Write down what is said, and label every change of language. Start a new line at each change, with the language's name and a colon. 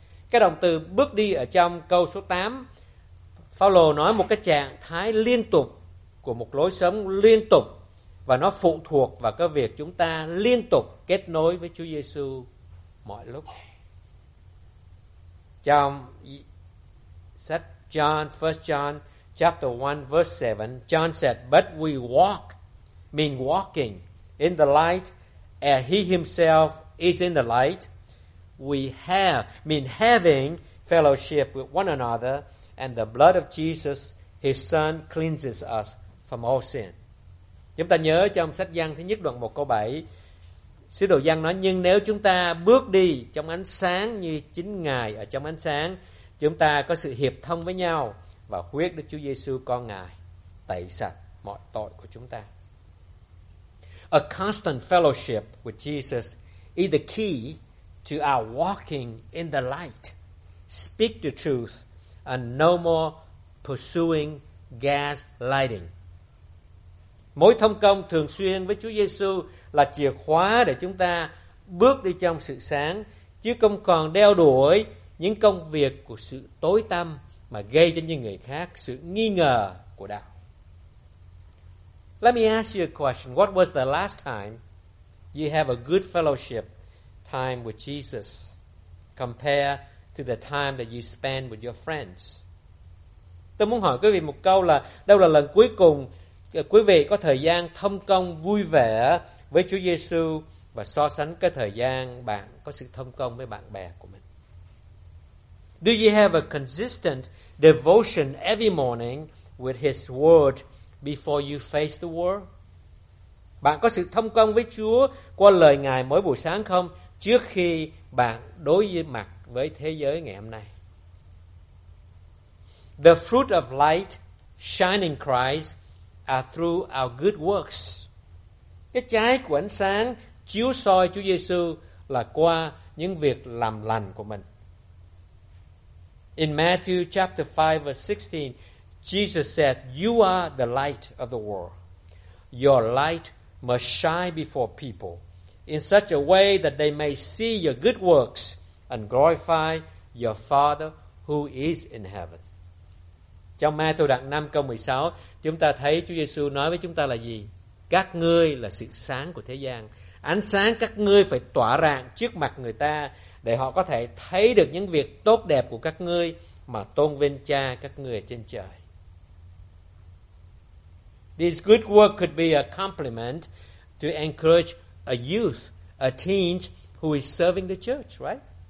Vietnamese: Cái động từ bước đi ở trong câu số 8, Phaolô nói một cái trạng thái liên tục của một lối sống liên tục, và nó phụ thuộc vào cái việc chúng ta liên tục kết nối với Chúa Giêsu mọi lúc. Trong sách
English: John, 1 John chapter 1 verse 7, John said, but we walk, mean walking, in the light, as he himself is in the light. We have, mean having, fellowship with one another, and the blood of Jesus, his son, cleanses us from all sin.
Vietnamese: Chúng ta nhớ trong sách Giăng thứ nhất đoạn 1 câu 7, sứ đồ Giăng nói, nhưng nếu chúng ta bước đi trong ánh sáng như chính Ngài ở trong ánh sáng, chúng ta có sự hiệp thông với nhau, và huyết Đức Chúa Giêsu con Ngài tẩy sạch mọi tội của chúng ta.
English: A constant fellowship with Jesus is the key to our walking in the light, speak the truth, and no more pursuing gaslighting.
Vietnamese: Mối thông công thường xuyên với Chúa Giêsu là chìa khóa để chúng ta bước đi trong sự sáng, chứ không còn đeo đuổi những công việc của sự tối tăm mà gây cho những người khác sự nghi ngờ của đạo.
English: Let me ask you a question. What was the last time you have a good fellowship time with Jesus compared to the time that you spend with your friends?
Vietnamese: Tôi muốn hỏi quý vị một câu là đâu là lần cuối cùng quý vị có thời gian thông công vui vẻ với Chúa Giêsu và so sánh cái thời gian bạn có sự thông công với bạn bè của mình.
English: Do you have a consistent devotion every morning with His Word before you face the world?
Vietnamese: Bạn có sự thông công với Chúa qua lời Ngài mỗi buổi sáng không trước khi bạn đối mặt với thế giới ngày hôm nay?
English: The fruit of light shining Christ are through our good works.
Vietnamese: Cái trái của ánh sáng chiếu soi Chúa Giêsu là qua những việc làm lành của mình.
English: In Matthew chapter 5 verse 16, Jesus said, "You are the light of the world. Your light must shine before people in such a way that they may see your good works and glorify your Father who is in heaven."
Vietnamese: Trong Matthew đoạn 5 câu 16, chúng ta thấy Chúa Giêsu nói với chúng ta là gì? Các ngươi là sự sáng của thế gian. Ánh sáng các ngươi phải tỏa rạng trước mặt người ta để họ có thể thấy được những việc tốt đẹp của các ngươi mà tôn vinh Cha các ngươi trên trời.
English: This good work could be a compliment to encourage a youth, a teen who is serving the church, right?